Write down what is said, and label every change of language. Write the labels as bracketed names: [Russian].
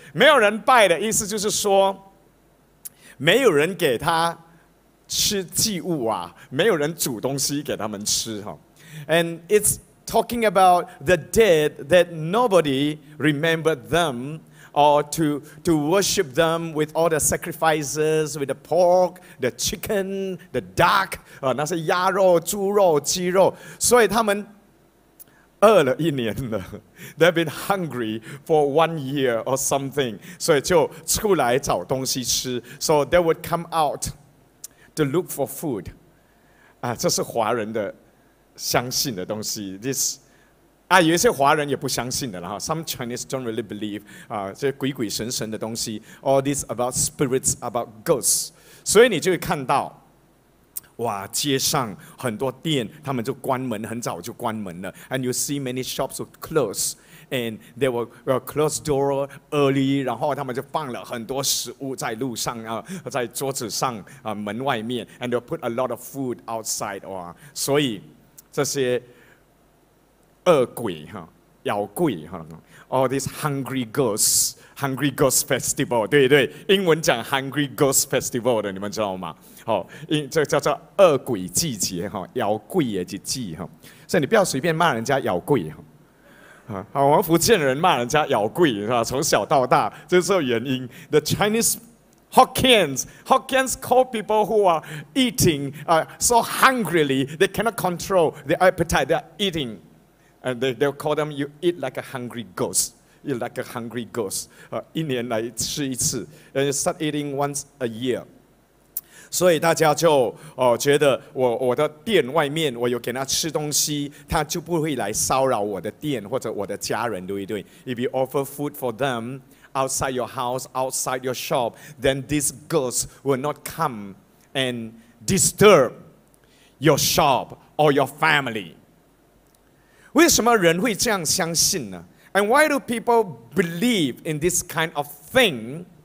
[Chinese] 没有人拜的意思就是说，没有人给他吃祭物啊，没有人煮东西给他们吃哈 ， [English] and it's talking about the dead that nobody remembered them or to worship them with all the sacrifices with the pork, the chicken, the duck, [Chinese] 那些鸭肉、猪肉、鸡肉，所以他们饿了一年了。 [English] They've been hungry for 1 year or something, [Chinese] 所以就出来找东西吃。 [English] So they would come out to look for food. [Chinese] 啊，这是华人的相信的东西 ，this 啊，有一些华人也不相信的了哈。 [English] Some Chinese don't really believe [Chinese] 啊，这鬼鬼神神的东西。 [English] All this about spirits, about ghosts。 [Chinese] 所以你就会看到，哇，街上很多店，他们就关门，很早就关门了。 [English] And you see many shops would close, and they were closed door early. [Chinese] 然后他们就放了很多食物在路上啊，在桌子上啊，门外面。 [English] And they put a lot of food outside. [Chinese] 哇，所以。这些恶鬼哈，妖鬼哈 ， [English] all these hungry ghosts, hungry ghost festival， [Chinese] 对对，英文讲 hungry ghost festival 的，你们知道吗？哦，这叫做恶鬼季节哈，妖鬼的节气哈，所以你不要随便骂人家妖鬼哈。啊，我们福建人骂人家妖鬼是吧？从小到大就是这原因。 [English] The Chinese Hawkins call people who are eating so hungrily, they cannot control their appetite, they are eating. And they'll call them, you eat like a hungry ghost. You're like a hungry ghost. [Chinese] 一年来吃一次, [English] and you start eating once a year. [Chinese] 所以大家就觉得我的店外面我有给他吃东西, 他就不会来骚扰我的店或者我的家人, 对不对? [English] If you offer food for them outside your house, outside your shop, then this ghost will not come and disturb your shop or your family. [Chinese] 为什么人会这样相信呢? [English] And why do people believe in this kind of thing?